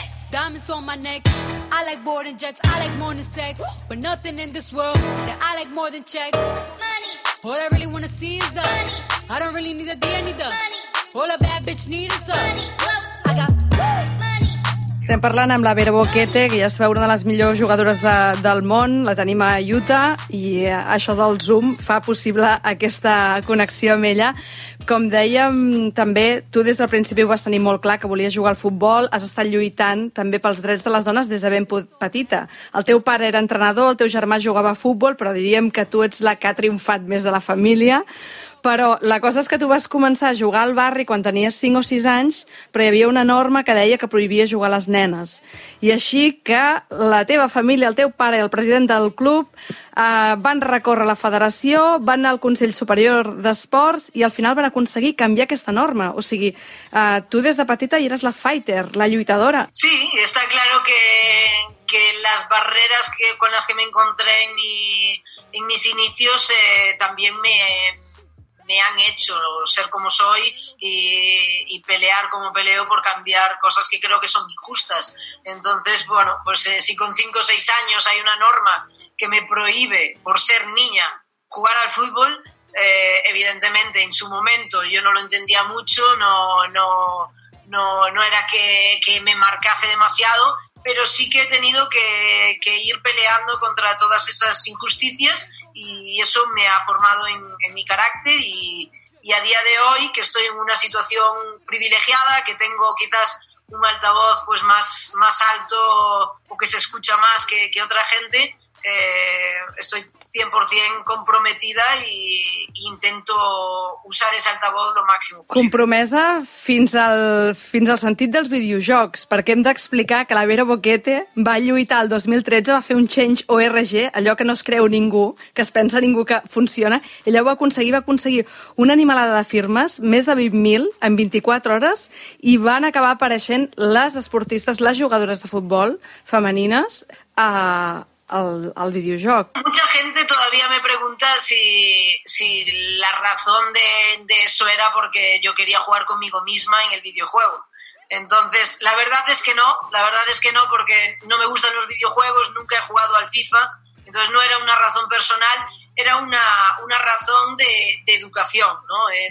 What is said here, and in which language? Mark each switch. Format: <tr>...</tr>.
<en>Diamonds on my neck, I like boarding jets, I like morning sex, but nothing in this world that I like more than checks. Money. All I really wanna see is the money. I don't really need a D, I need the money. All a bad bitch need is the money. I got money.</en> <ca>Estem parlant amb la Vera Boquete, que ja es veu una de les millors jugadores del món, la tenim a Utah, i això del Zoom fa possible aquesta connexió amb ella. Com dèiem, també, tu des del principi ho vas tenir molt clar, que volies jugar al futbol, has estat lluitant també pels drets de les dones des de ben petita. El teu pare era entrenador, el teu germà jugava a futbol, però diríem que tu ets la que ha triomfat més de la família. Però la cosa és que tu vas començar a jugar al barri quan tenies 5 o 6 anys, però hi havia una norma que deia que prohibia jugar a les nenes. I així que la teva família, el teu pare i el president del club van recórrer la federació, van anar al Consell Superior d'Esports i al final van aconseguir canviar aquesta norma. O sigui, tu des de petita eres la fighter, la lluitadora. Sí, està clar que les barreres</ca> <es>con les que me encontré en mis inicios también me han hecho ser como soy y pelear como peleo por cambiar cosas que creo que son injustas. Entonces, bueno, pues si con 5 o 6 años hay una norma que me prohíbe, por ser niña, jugar al fútbol, evidentemente en su momento yo no lo entendía mucho, no era que me marcase demasiado, pero sí que he tenido que ir peleando contra todas esas injusticias. Y eso me ha formado en mi carácter y a día de hoy, que estoy en una situación privilegiada, que tengo quizás un altavoz pues más alto o que se escucha más que otra gente, estoy 100% comprometida e intento usar ese altavoz lo máximo posible.</es> <ca>Compromesa fins al sentit dels videojocs, perquè hem d'explicar que la Vera Boquete va lluitar el 2013, va fer un Change.org, allò que no es creu ningú, que es pensa ningú que funciona. Ella va aconseguir una animalada de firmes, més de 20.000 en 24 hores, i van acabar apareixent les esportistes, les jugadores de futbol femenines al videojoc.</ca> <es>Mucha gente todavía me pregunta si la razón de eso era porque yo quería jugar conmigo misma en el videojuego. Entonces, la verdad es que no, porque no me gustan los videojuegos, nunca he jugado al FIFA, entonces no era una razón personal, era una razón de educación, ¿no?</es>